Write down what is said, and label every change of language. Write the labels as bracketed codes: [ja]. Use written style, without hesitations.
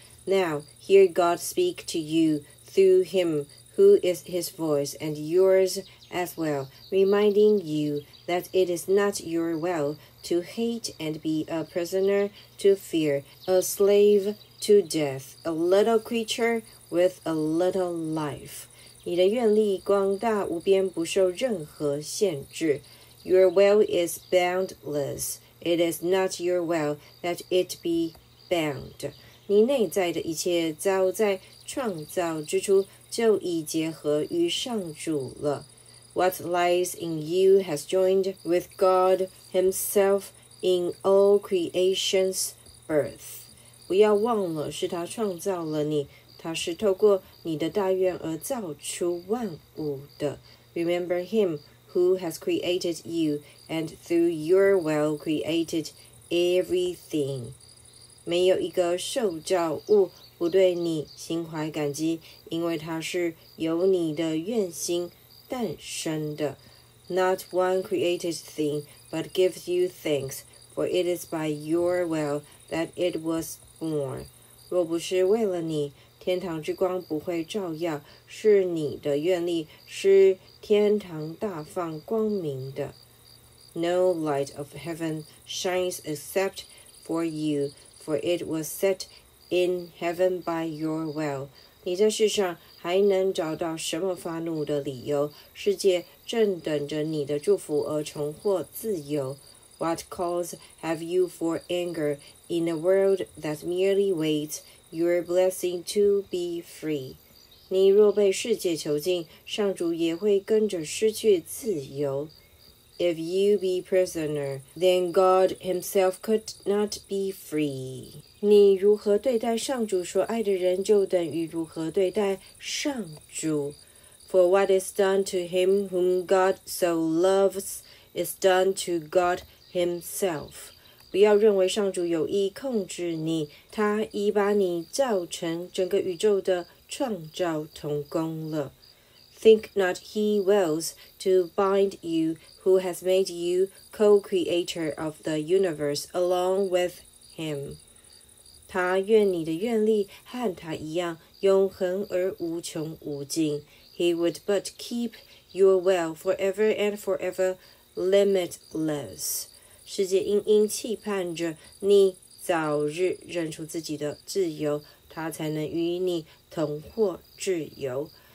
[en] Now, hear God speak to you through him, who is his voice and yours as well, reminding you that it is not your will to hate and be a prisoner to fear, a slave to death, a little creature with a little life. [zh] 你的愿力广大无边，不受任何限制。 [en] Your will is boundless. It is not your will that it be bound. [zh] 你内在的一切早在创造之初就已结合于上主了。 [en] What lies in you has joined with God himself in all creation's birth. [zh] 不要忘了，是他创造了你，他是透过你的大愿而造出万物的。 [en] Remember him who has created you and through your will created everything. [zh] 没有一个受造物不对你心怀感激，因为它是由你的愿心诞生的。 [en] Not one created thing but gives you thanks, for it is by your will that it was born. [zh] 若不是为了你，天堂之光不会照耀，是你的愿力使天堂大放光明的。 [en] No light of heaven shines except for you. For it was set in heaven by your will. [zh] 你在世上还能找到什么发怒的理由？世界正等着你的祝福而重获自由。 [en] What cause have you for anger in a world that merely waits your blessing to be free? [zh] 你若被世界囚禁，上主也会跟着失去自由。 [en] If you be prisoner, then God himself could not be free. [zh] 你如何对待上主所爱的人，就等于如何对待上主。 [en] For what is done to him whom God so loves is done to God himself. [zh] 不要认为上主有意控制你，他已把你造成整个宇宙的创造同工了。 [en] Think not he wills to bind you who has made you co-creator of the universe along with him. [zh] 他愿你的愿力和他一样永恒而无穷无尽。 [en] He would but keep your will forever and forever limitless. [zh] 世界殷殷期盼着你早日认出自己的自由，他才能与你同获自由。